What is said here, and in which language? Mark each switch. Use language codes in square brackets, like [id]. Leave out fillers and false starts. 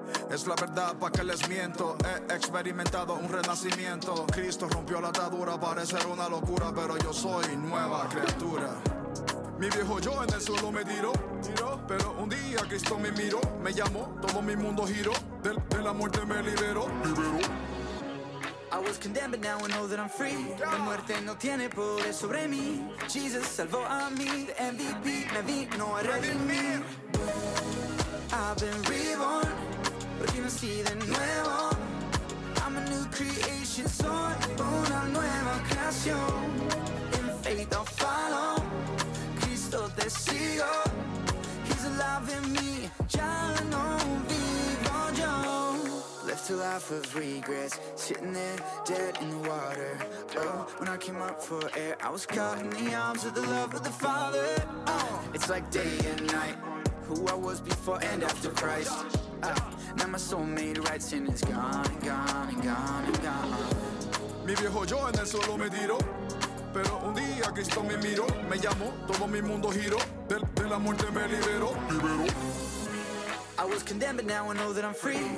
[es] Es la verdad, pa' que les miento. He experimentado un renacimiento. Cristo rompió la atadura, parece una locura, pero yo soy nueva criatura. Mi viejo yo en el suelo me tiró, pero un día Cristo me miró, me llamó, todo mi mundo giró, de la muerte me liberó. [en] I was condemned, but now I know that I'm free. [es] La muerte no tiene poder sobre mí. Jesus salvó a mí, [en] the MVP [es] me vino a redimir. [en] I've been reborn, [es] porque nací de nuevo. [en] I'm a new creation, [es] soy una nueva creación. [en] In faith I'll follow, [es] Cristo te sigo. [en] He's alive in me, [es] ya no vivo yo. [en] Left a life of regrets, sitting there dead in the water. Oh, when I came up for air, I was caught in the arms of the love of the Father. It's like day and night, who I was before and after Christ. Now my soul made right, sin is gone and gone and gone and gone. [es] Mi viejo yo en el suelo me tiró, pero un día Cristo me miró, me llamó, todo mi mundo giró, de la muerte me liberó. [en] I was condemned, but now I know that I'm free.